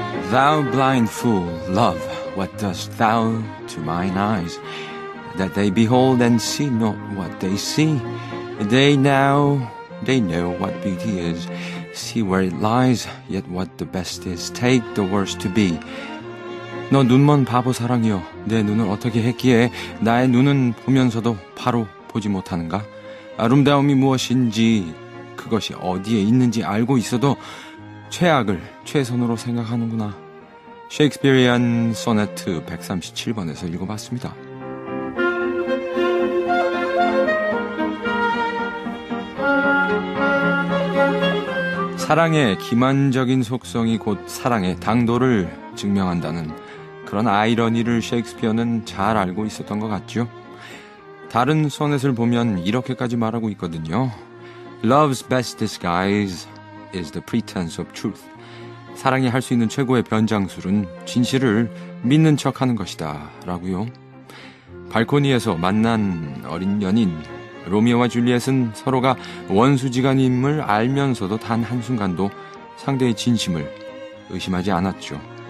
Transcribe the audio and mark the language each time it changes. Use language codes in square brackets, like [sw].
[en] thou blind fool, love, what dost thou to mine eyes? That they behold and see not what they see. They now, they know what beauty is. See where it lies, yet what the best is. Take the worst to be. [ko] 너 눈먼 바보 사랑이여, 내 눈을 어떻게 했기에 나의 눈은 보면서도 바로 보지 못하는가? 아름다움이 무엇인지, 그것이 어디에 있는지 알고 있어도 최악을 최선으로 생각하는구나. 셰익스피리안 소네트 137번에서 읽어봤습니다. 사랑의 기만적인 속성이 곧 사랑의 당도를 증명한다는 그런 아이러니를 셰익스피어는 잘 알고 있었던 것 같죠. 다른 소넷을 보면 이렇게까지 말하고 있거든요. [en] Love's best disguise is the pretense of truth. [ko] 사랑이 할 수 있는 최고의 변장술은 진실을 믿는 척하는 것이다 라고요. 발코니에서 만난 어린 연인 로미오와 줄리엣은 서로가 원수지간임을 알면서도 단 한순간도 상대의 진심을 의심하지 않았죠.